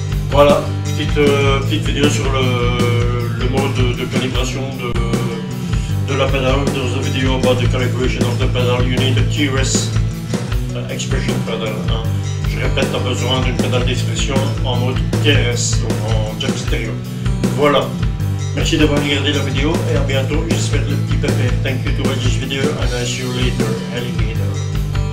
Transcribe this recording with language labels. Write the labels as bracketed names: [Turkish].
[French] Voilà, petite vidéo sur le mode de calibration de la pédale. [English] There's a video about the calibration of the pedal. You need a TRS expression pedal. Hein. [French] Je répète, tu as besoin d'une pédale d'expression en mode TRS, donc en jack stéréo. Voilà, merci d'avoir regardé la vidéo et à bientôt. J'espère le petit pépé. [English] Thank you to watch this video and I'll see you later. Alligator.